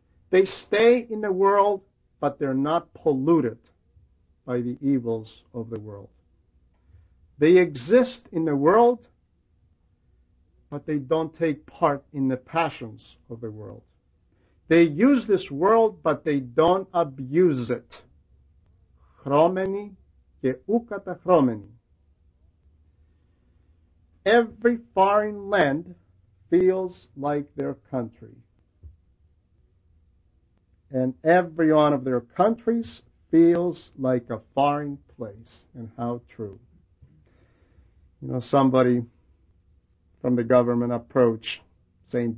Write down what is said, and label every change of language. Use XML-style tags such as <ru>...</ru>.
<en>They stay in the world, but they're not polluted by the evils of the world. They exist in the world, but they don't take part in the passions of the world. They use this world, but they don't abuse it.</en> <el>Χρώμενοι και ουκαταχρώμενοι.</el> <en>Every foreign land feels like their country. And every one of their countries feels like a foreign place. And how true. You know, somebody from the government approached St.</en>